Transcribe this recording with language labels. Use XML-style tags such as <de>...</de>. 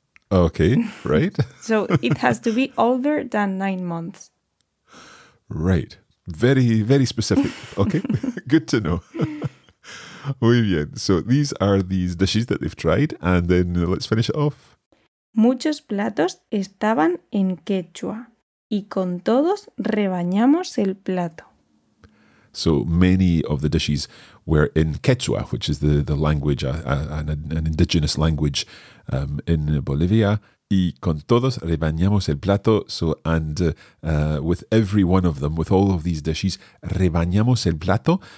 <en>Okay, right. So it has to be older than 9 months. Right. Very, very specific. Okay, good to know.</en> <es>Muy bien.</es> <en>So these are these dishes that they've tried, and then let's finish it off.</en> <es>Muchos platos estaban en quechua, y con todos rebañamos el plato.</es> <en>So many of the dishes were in quechua, which is the language, an indigenous language in Bolivia.</en> <es>Y con todos rebañamos el plato.</es> <en>So, and with every one of them, with all of these dishes,</en> <es>rebañamos el plato.</es>